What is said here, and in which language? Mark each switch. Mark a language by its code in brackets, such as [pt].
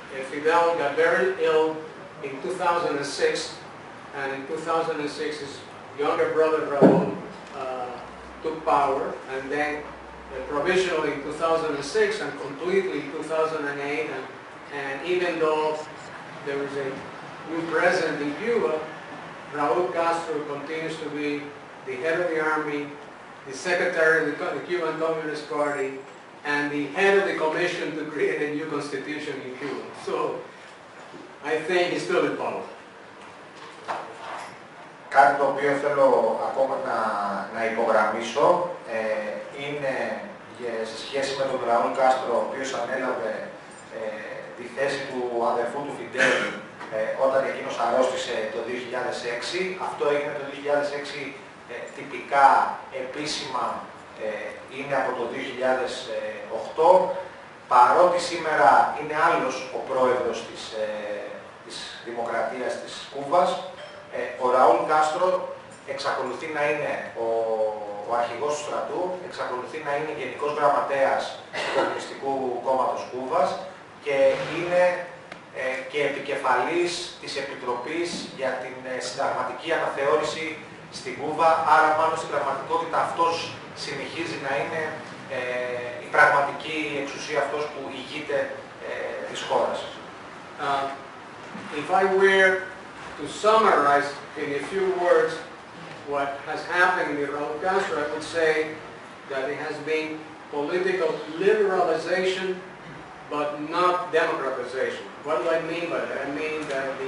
[en] Fidel got very ill in 2006, and in 2006 his younger brother Raúl took power, and then provisionally in 2006 and completely in 2008, and even though there is a new president in Cuba, Raúl Castro continues to be the head of the army, the secretary of the Cuban Communist Party, and the head of the commission to create a new constitution in Cuba. So, I think he's still in power. [el] Κάτι το οποίο θέλω ακόμα να υπογραμμίσω είναι σε σχέση με τον Ραούλ Κάστρο, ο οποίος ανέλαβε τη θέση του αδερφού του Φιντέλ όταν εκείνος αρρώστησε το 2006. Αυτό έγινε το 2006 τυπικά, επίσημα, είναι από το 2008. Παρότι σήμερα είναι άλλος ο πρόεδρος της Δημοκρατίας της Κούβας, ο Ραούλ Κάστρο εξακολουθεί να είναι ο αρχηγός του στρατού, εξακολουθεί να είναι γενικός γραμματέας του Κομμουνιστικού Κόμματος Κούβας και είναι και επικεφαλής της Επιτροπής για την Συνταγματική Αναθεώρηση στην Κούβα. Άρα μάλλον στην πραγματικότητα αυτός συνεχίζει να είναι η πραγματική εξουσία, αυτός που ηγείται της χώρας. [en] If I were to summarize in a few words what has happened with Raúl Castro, I would say that it has been political liberalization but not democratization. What do I mean by that? I mean that